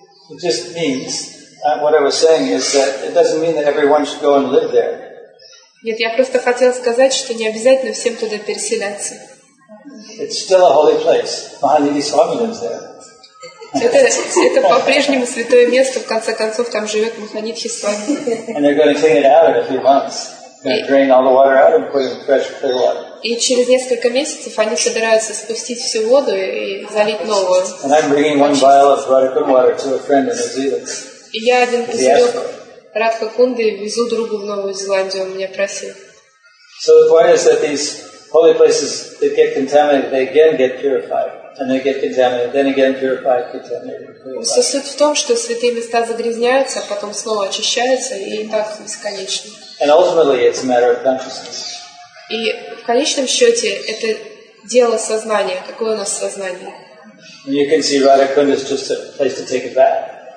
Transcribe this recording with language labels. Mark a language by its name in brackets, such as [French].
[English] It just means, what I was saying is that it doesn't mean that everyone should go and live there. [Russian] Нет, я просто хотела сказать, что не обязательно всем туда переселяться. [English] It's still a holy place. Mahanidhi Swami lives there. [Russian] Это по-прежнему святое место, в конце концов, там живет Махамудхи с вами. [English] And they're going to clean it out in a few months. Drain all the water out and put in fresh, clear water. [Russian] И через несколько месяцев они собираются спустить всю воду и залить новую. [English] And I'm bringing one vial of Radha water to a friend in New Zealand. [Russian] И я один пузырек Радха Кунды везу другу в Новую Зеландию, он меня просил. [English] So the point is that these holy places that get contaminated, they again get purified. And they get contaminated, then again purified, contaminated. [Russian] Суть в том, что святые места загрязняются, потом снова очищаются, и так бесконечно. [English] And ultimately, it's a matter of consciousness. [Russian] И в конечном счете это дело сознания. Какое у нас сознание? [English] And you can see Radha Kunda is just a place to take a bath.